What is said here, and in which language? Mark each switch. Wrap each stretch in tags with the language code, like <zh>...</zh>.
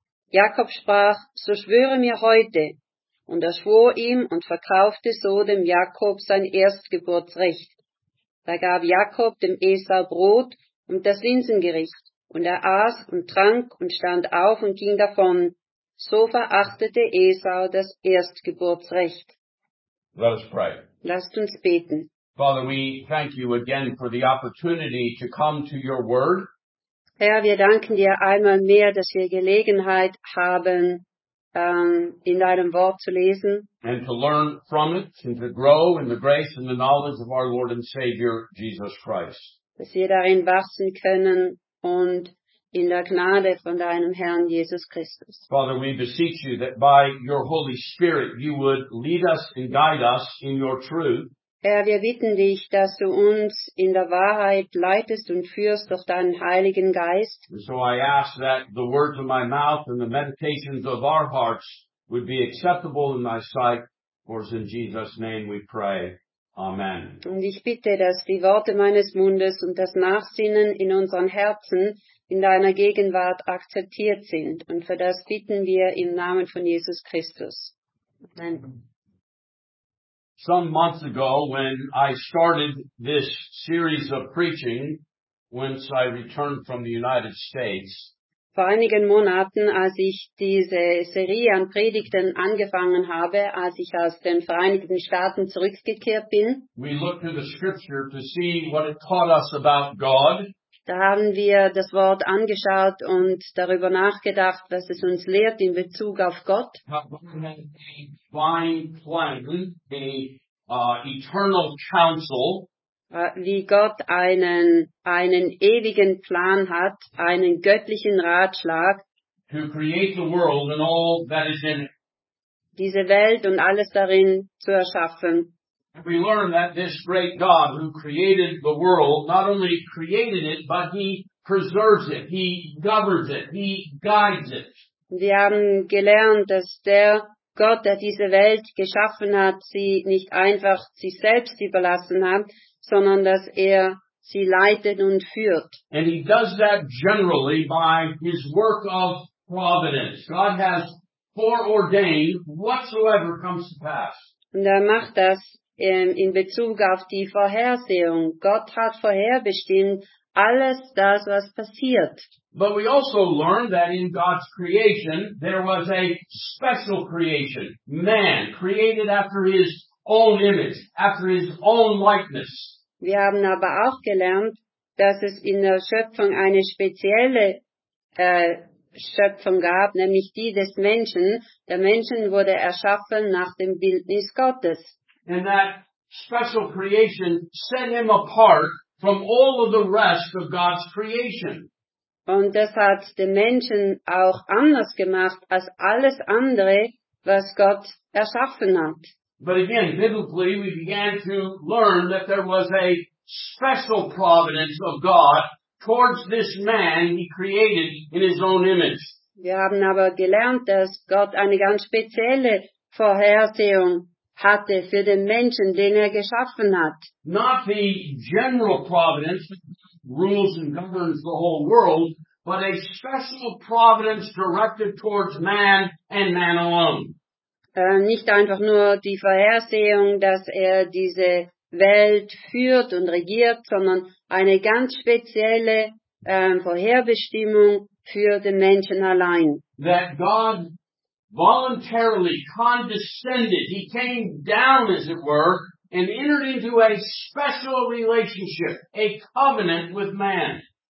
<de>Jakob sprach, so schwöre mir heute. Und er schwor ihm und verkaufte so dem Jakob sein Erstgeburtsrecht. Da gab Jakob dem Esau Brot und das Linsengericht. Und er aß und trank und stand auf und ging davon. So verachtete Esau das Erstgeburtsrecht.</de> <en>Let us pray.</en> <de>Lasst uns beten.</de> <en>Father, we thank you again for the opportunity to come to your word.</en> <de>Herr, wir danken dir einmal mehr, dass wir Gelegenheit haben, in deinem Wort zu lesen.</de> <en>And to learn from it and to grow in the grace and the knowledge of our Lord and Savior, Jesus Christ.</en> <de>Dass wir darin wachsen können und in der Gnade von deinem Herrn Jesus Christus.</de> <en>Father, we beseech you that by your Holy Spirit you would lead us and guide us in your truth.</en> <de>Herr, wir bitten dich, dass du uns in der Wahrheit leitest und führst durch deinen Heiligen Geist.</de> <en>And so I ask that the words of my mouth and the meditations of our hearts would be acceptable in thy sight. For it's in Jesus' name we pray. Amen.</en> <de>Und ich bitte, dass die Worte meines Mundes und das Nachsinnen in unseren Herzen in deiner Gegenwart akzeptiert sind. Und für das bitten wir im Namen von Jesus Christus. Amen.</de> <en>Some months ago, when I started this series of preaching, once I returned from the United States,</en> <de>vor einigen Monaten, als ich diese Serie an Predigten angefangen habe, als ich aus den Vereinigten Staaten zurückgekehrt bin,</de> <en>we looked to the scripture to see what it taught us about God.</en> <de>Da haben wir das Wort angeschaut und darüber nachgedacht, was es uns lehrt in Bezug auf Gott.</de> <en>Eternal counsel,</en> <de>wie Gott einen ewigen Plan hat, einen göttlichen Ratschlag,</de> <en>to create the world and all that is in it.</en> <de>Diese Welt und alles darin zu erschaffen.</de> <en>And we learn that this great God who created the world not only created it, but he preserves it, he governs it, he guides it.</en> <de>Wir haben gelernt, dass der Gott, der diese Welt geschaffen hat, sie nicht einfach sich selbst überlassen hat, sondern dass er sie leitet und führt.</de> <en>And he does that generally by his work of providence. God has foreordained whatsoever comes to pass.</en> <de>Und er macht das in Bezug auf die Vorhersehung. Gott hat vorherbestimmt alles das, was passiert.</de> <en>But we also learned that in God's creation, there was a special creation. Man, created after his own image, after his own likeness.</en> <de>Wir haben aber auch gelernt, dass es in der Schöpfung eine spezielle Schöpfung gab, nämlich die des Menschen. Der Menschen wurde erschaffen nach dem Bildnis Gottes.</de> <en>And that special creation set him apart from all of the rest of God's creation.</en> <de>Und das hat den Menschen auch anders gemacht als alles andere, was Gott erschaffen hat.</de> <en>But again, biblically, we began to learn that there was a special providence of God towards this man he created in his own image.</en> <de>Wir haben aber gelernt, dass Gott eine ganz spezielle Vorhersehung hatte für den Menschen, den er geschaffen hat.</de> <en>Not the general providence rules and governs the whole world, but a special providence directed towards man and man alone.</en> <de>Nicht einfach nur die Vorhersehung, dass er diese Welt führt und regiert, sondern eine ganz spezielle Vorherbestimmung für den Menschen allein.</de> <en>That God voluntarily condescended, he came down as it were, and entered into a special relationship, a covenant with man.</en>